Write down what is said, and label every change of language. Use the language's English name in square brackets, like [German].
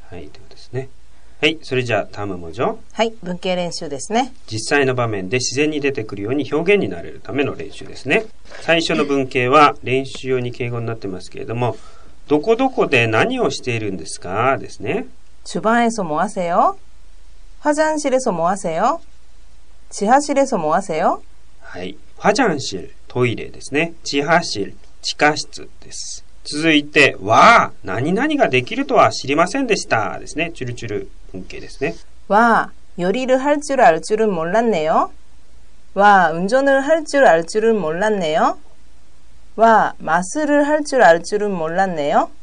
[Japanese] はいということですねはいそれじゃあ [Korean] 다음은뭐죠 [Japanese] はい文型練習ですね実際の場面で自然に出てくるように表現になれるための練習ですね最初の文型は練習用に敬語になってますけれどもどこどこで何をしているんですかですね [Korean] 주방에서뭐하세요화장실에서뭐하세요지하실에서뭐하세요 [Japanese] はい화장실トイレですね地下室地下室です続いてわあ何々ができるとは知りませんでしたですねチュルチュル文型ですね [Korean] わあ요리를할줄알줄은몰랐네요와운전을할줄알줄은몰랐네요와마술을할줄알줄은몰랐네요